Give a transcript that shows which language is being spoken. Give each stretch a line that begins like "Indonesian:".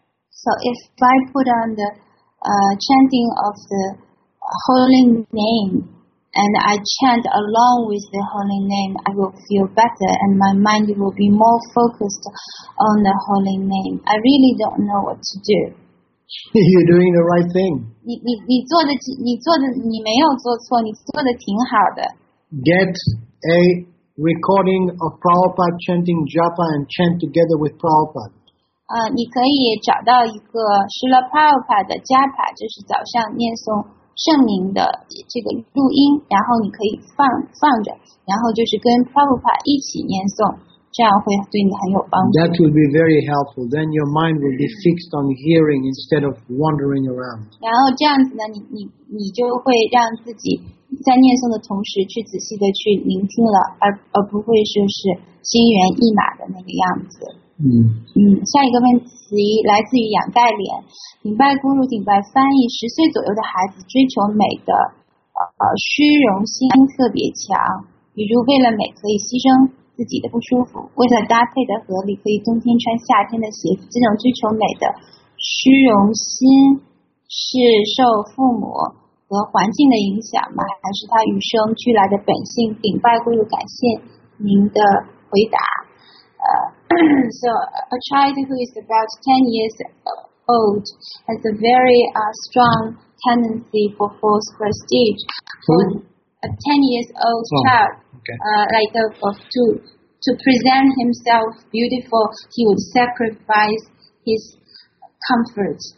English: So if I put on the chanting of the holy name, and I chant along with the holy name, I will feel better, and my mind will be more focused on the holy name. I really don't know what to do. You're doing the right thing.
Chinese: 你做的你没有做错，你做的挺好的。
English: Get a recording of Prabhupada chanting Japa and chant together with Prabhupada.
Chinese: 你可以找到一个Srila Prabhupada的Japa，就是早上念诵圣名的这个录音，然后你可以放着，然后就是跟Prabhupada一起念诵。这样会对你很有帮助。
English: That will be very helpful. Then your mind will be fixed on hearing instead of wandering around.
Chinese: 然后这样子呢，你就会让自己在念诵的同时去仔细的去聆听了，而不会说是心猿意马的那个样子。下一个问题来自于杨盖莲，顶拜咕噜，顶拜翻译，十岁左右的孩子追求美的，虚荣心特别强，比如为了美可以牺牲。自己的不舒服，为了搭配的合理，可以冬天穿夏天的鞋子。这种追求美的虚荣心是受父母和环境的影响吗？还是他与生俱来的本性？顶拜咕噜，感谢您的回答。
English: So a child who is about 10 years old has a very strong tendency for false prestige. A 10 years old child. To present himself beautiful, he would sacrifice his comfort.